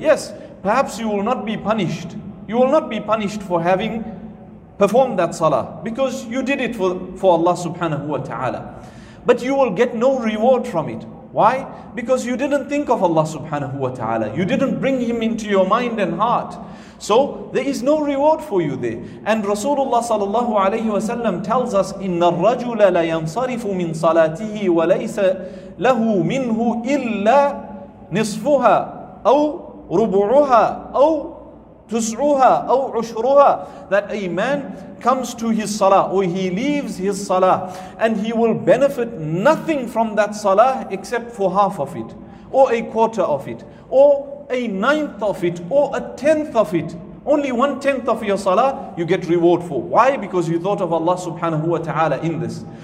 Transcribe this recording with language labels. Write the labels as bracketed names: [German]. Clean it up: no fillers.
[English] Yes, perhaps you will not be punished. You will not be punished for having performed that salah because you did it for Allah subhanahu wa ta'ala. But you will get no reward from it. Why? Because you didn't think of Allah subhanahu wa ta'ala. You didn't bring Him into your mind and heart. So there is no reward for you there. And Rasulullah sallallahu alayhi wa sallam tells us, [Arabic] إِنَّ الرَّجُلَ لَيَنْصَرِفُ مِنْ صَلَاتِهِ وَلَيْسَ لَهُ مِنْهُ إِلَّا نِصْفُهَا أَوْ رُبُعُهَا أَوْ تُسْعُهَا أَوْ عُشْرُهَا. [English] That a man comes to his salah or he leaves his salah and he will benefit nothing from that salah except for half of it or a quarter of it or a ninth of it or a tenth of it. Only 1/10 of your salah you get reward for. Why? Because you thought of Allah subhanahu wa ta'ala in this.